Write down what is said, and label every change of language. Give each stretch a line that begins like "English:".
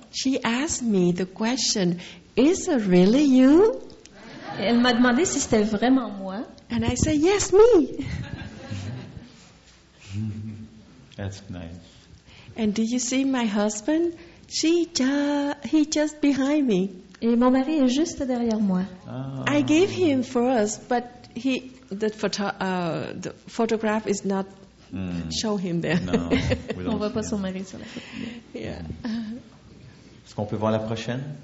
English: She asked me the question, "Is it really you?"
French: Et elle m'a demandé si c'était vraiment moi.
English: And I said, "Yes, me." That's nice. And do you see my husband? He just behind me.
French: Et mon mari est juste derrière moi. Oh.
English: I gave him for us, but the photograph is not show him there. No,
French: on ne voit pas son mari sur la photo. Est-ce qu'on peut voir la prochaine?